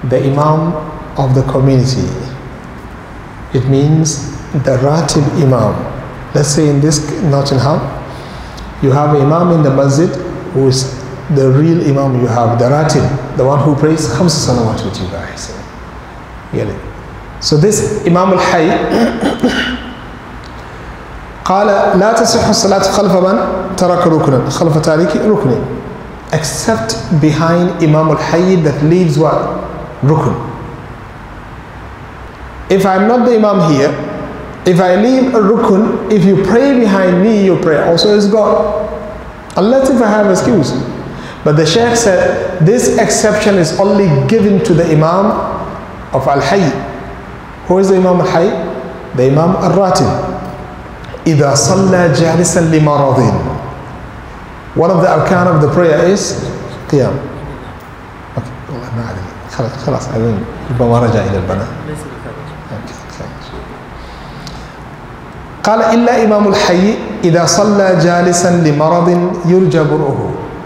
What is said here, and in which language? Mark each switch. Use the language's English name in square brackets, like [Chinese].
[English] the Imam of the community. It means the Ratib Imam. Let's say in this Nottingham, you have an Imam in the Masjid who is the real Imam you have, the Ratib, the one who prays [Arabic] خمس صلوات [English] with you guys. Get it? So this Imam al-Hayy [Arabic] قال لا تصح الصلاة خلف من ترك ركنا خلف تاركي ركنا [English] except behind Imam al-Hayy that leaves what? Rukun. If I'm not the Imam here, if I leave a Rukun, if you pray behind me, your prayer also is gone. Unless if I have excuse. But the Shaykh said, this exception is only given to the Imam of Al-Hayy. Who is the Imam Al-Hayy? The Imam Al-Ratib. [Arabic] إِذَا صَلَّى جَالِسًا لِمَرَضٍ. [English] One of the arkan of the prayer is Qiyam. Okay. [Arabic] خلاص عايزين ربما رجع الى البناء. قال الا امام الحي اذا صلى جالسا لمرض يرجى برؤه.